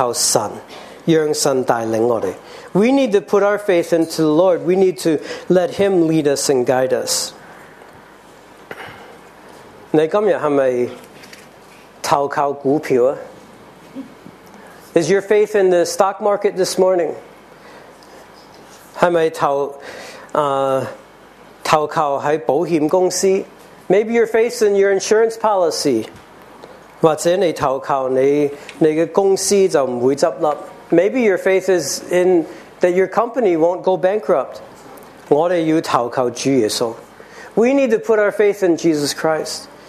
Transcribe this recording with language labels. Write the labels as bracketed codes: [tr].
[zh] 大家，我们需要投靠神，让神带领我们. [en] We need to put our faith into the Lord. We need to let him lead us and guide us. [zh] 你今天是不是投靠股票? [en] Is your faith in the stock market this morning? [zh] 是不是投靠在保险公司? [en] Maybe your faith in your insurance policy. [zh] 或者你投靠你的公司就不会倒闭. [en] Maybe your faith is in that your company won't go bankrupt. [zh] 我们要投靠主耶稣. [en] We need to put our faith in Jesus Christ.